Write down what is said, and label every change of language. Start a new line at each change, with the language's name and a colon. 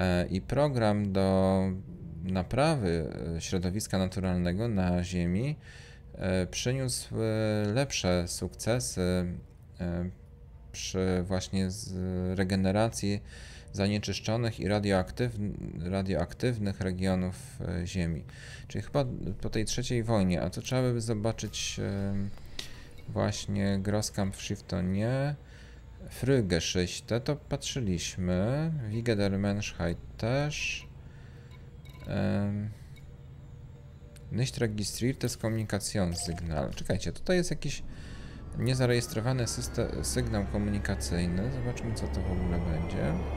Polish: I program do naprawy środowiska naturalnego na Ziemi przyniósł lepsze sukcesy przy właśnie z regeneracji zanieczyszczonych i radioaktywnych regionów Ziemi. Czyli chyba po tej trzeciej wojnie, a to trzeba by zobaczyć właśnie Grosskampfschiftonie, Frühgeschichte, to patrzyliśmy,
German: Wiege der Menschheit
Polish: też.
German: Nicht registriertes Kommunikationssignal.
Polish: Czekajcie, tutaj jest jakiś niezarejestrowany sygnał komunikacyjny. Zobaczmy, co to w ogóle będzie.